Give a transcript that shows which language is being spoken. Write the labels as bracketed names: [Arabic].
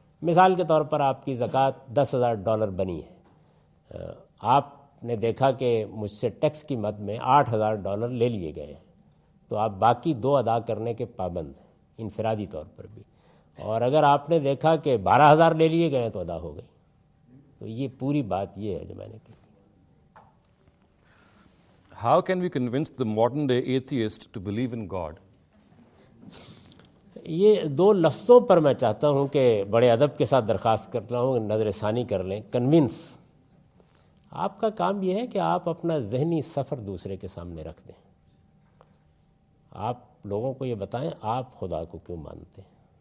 [Urdu] مثال کے طور پر آپ کی زکوٰۃ $10,000 بنی ہے, آپ نے دیکھا کہ مجھ سے ٹیکس کی مد میں $8,000 لے لیے گئے ہیں, تو آپ باقی 2 ادا کرنے کے پابند ہیں انفرادی طور پر بھی. اور اگر آپ نے دیکھا کہ 12,000 لے لیے گئے ہیں تو ادا ہو گئی. تو یہ پوری بات یہ ہے جو میں نے کہی. [English] How can we convince the modern-day atheist to believe in God? [Urdu] یہ دو لفظوں پر میں چاہتا ہوں کہ بڑے ادب کے ساتھ درخواست کرتا ہوں کہ نظر ثانی کر لیں. کنونس, آپ کا کام یہ ہے کہ آپ اپنا ذہنی سفر دوسرے کے سامنے رکھ دیں. آپ لوگوں کو یہ بتائیں آپ خدا کو کیوں مانتے ہیں.